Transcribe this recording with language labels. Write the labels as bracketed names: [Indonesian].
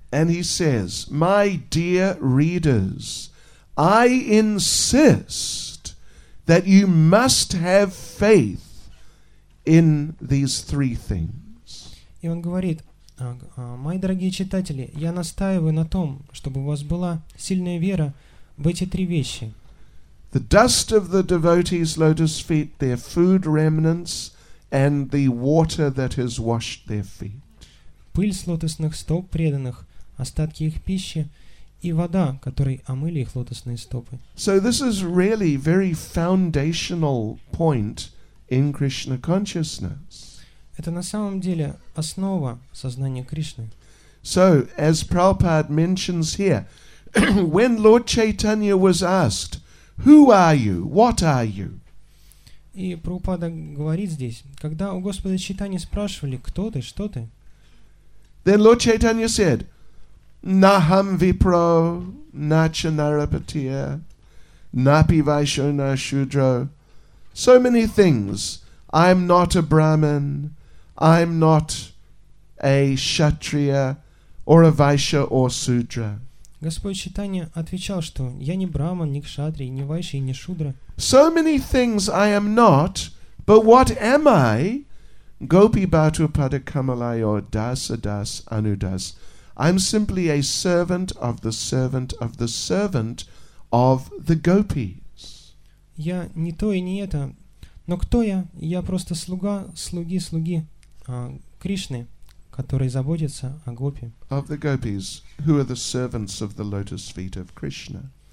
[English] And he says, my dear readers, I insist that you must have faith in these three things. [Russian] И он говорит, мои дорогие читатели, я настаиваю на том, чтобы у вас была сильная вера в эти три вещи. [English] The dust of the devotees' lotus feet, their food remnants, and the water that has washed their feet. [Russian] Пыль с лотосных стоп преданных, остатки их пищи и вода, которой омыли их лотосные стопы. [English] So this is really very foundational point in Krishna consciousness. [Russian] Это на самом деле основа сознания Кришны. [English] So as Prabhupada mentions here, when Lord Chaitanya was asked, who are you? What are you? [Russian] И Прабхупада говорит здесь, когда у Господа Чайтаньи спрашивали, кто ты, что ты? [English] Then Lord Chaitanya said, [Sanskrit] Naham vipro, na cha narapatiya, napi vaisho na shudro. [English] So many things. I'm not a Brahmin, I'm not a Kshatriya, or a Vaisha, or Sudra. [Russian] Господь Чайтанья отвечал, что я не Брахман, не Кшатрий, не Вайша и не Шудра. [English] So many things I am not, but what am I? [Sanskrit] Gopi Bhatu Pada Kamalayo Dasa Das Anudas. [English] I'm simply a servant of the servant of the servant of the gopis. [Russian] Я не то и не это, но кто я? Я просто слуга, слуги, слуги Кришны, который заботится о гопи. [English] Of the gopis, who are the servants of the lotus feet of Krishna.